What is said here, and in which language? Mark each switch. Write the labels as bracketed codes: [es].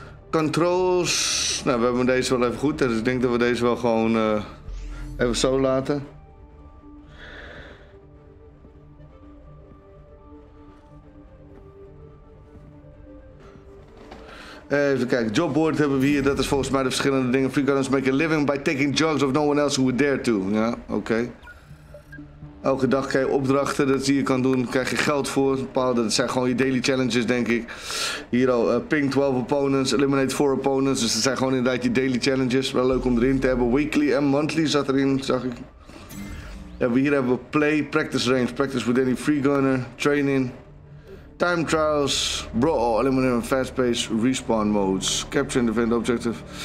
[nl] Controls. Nou, we hebben deze wel even goed. Dus ik denk dat we deze wel gewoon even zo laten. Even kijken, jobboard hebben we hier. Dat is volgens mij de verschillende dingen. [en] Free gunners make a living by taking drugs of no one else who would dare to. [nl] Ja, oké. Elke dag krijg je opdrachten, dat zie je kan doen, krijg je geld voor. Bepaalde, dat zijn gewoon je daily challenges, denk ik. [en] Hier al, ping 12 opponents, eliminate 4 opponents. [nl] Dus dat zijn gewoon inderdaad je daily challenges. Wel leuk om erin te hebben. Weekly en monthly zat erin, zag ik. Ja, hier hebben we [en] play, practice range, practice with any free gunner, training, time trials, brawl, eliminate fast pace, respawn modes, capture and defend objective.